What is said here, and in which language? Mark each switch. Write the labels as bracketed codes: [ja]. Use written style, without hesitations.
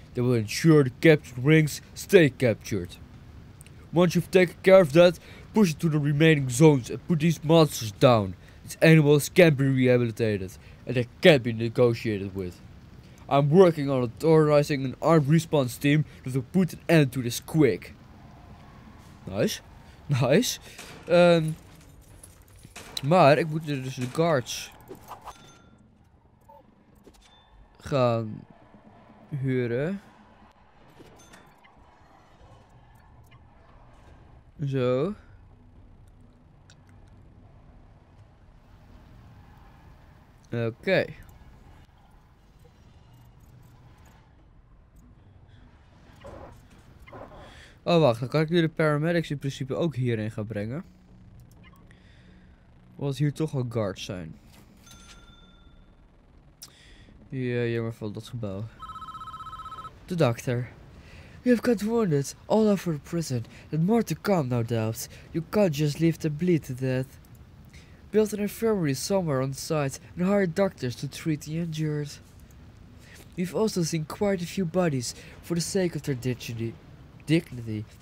[en] They will ensure the captured wings stay captured. Once you've taken care of that, push it to the remaining zones and put these monsters down. These animals can be rehabilitated and they can be negotiated with. I'm working on authorizing an armed response team that will put an end to this quick. Nice. Nice. [nl] Maar ik moet dus de guards gaan huren. Zo. Oké. Oh wacht, dan kan ik nu de paramedics in principe ook hierin gaan brengen. Omdat hier toch al guards zijn. Ja, jammer van dat gebouw. De dokter. [en] You have got wounded all over the prison. And more to come, no doubt. You can't just leave them bleed to death. Build an infirmary somewhere on site and hire doctors to treat the injured. We've also seen quite a few bodies for the sake of their dignity.